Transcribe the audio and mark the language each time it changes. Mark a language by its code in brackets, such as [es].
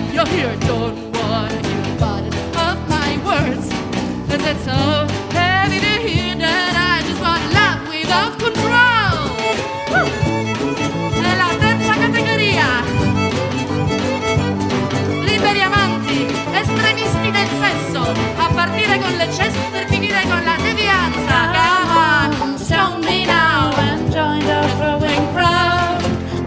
[en] Here, don't wanna hear the bottom of my words. Is it so heavy to hear that I just want love without control? [it] Nella terza categoria, liberi amanti, estremisti del sesso, a partire con l'eccesso per finire con la devianza. [en] Come on, show me now and join the growing crowd.